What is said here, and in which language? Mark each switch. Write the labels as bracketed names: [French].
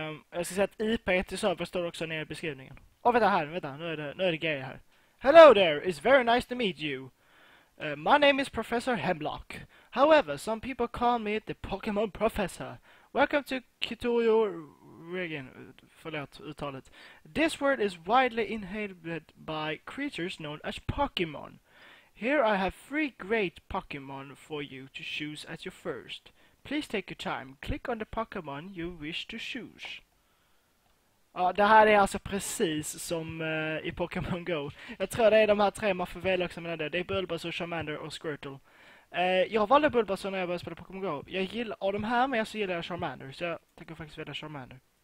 [Swedish] Jag ska säga att IP till server står också nere i beskrivningen. Åh, vänta, nu är det grejer här. [English] Hello there, it's very nice to meet you. My name is Professor Hemlock. However, some people call me the Pokémon Professor. Welcome to Kitoyo Region. [Swedish] Förlåt uttalet. [English] This word is widely inhabited by creatures known as Pokémon. Here I have three great Pokémon for you to choose as your first. Please take your time. Click on the Pokémon you wish to choose. [Swedish] Ja, det här är alltså precis som i Pokémon Go. Jag tror det är de här tre man får välja också mellan det. Det är Bulbasaur, Charmander och Squirtle. Jag valde Bulbasaur när jag började spela Pokémon Go. Jag gillar av de här, men jag så gillar jag Charmander. Så jag tänker faktiskt välja Charmander.